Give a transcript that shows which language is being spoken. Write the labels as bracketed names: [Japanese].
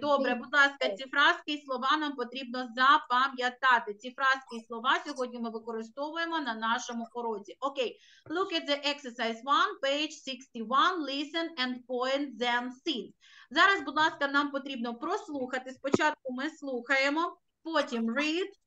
[Ukrainian] Добре, будь ласка, ці фразки і слова нам потрібно запам'ятати. Ці фразки і слова сьогодні ми використовуємо на нашому уроці. Окей, okay. [English] Look at the exercise 1, page 61, listen and point them seat. [Ukrainian] Зараз, будь ласка, нам потрібно прослухати. Спочатку ми слухаємо, потім read.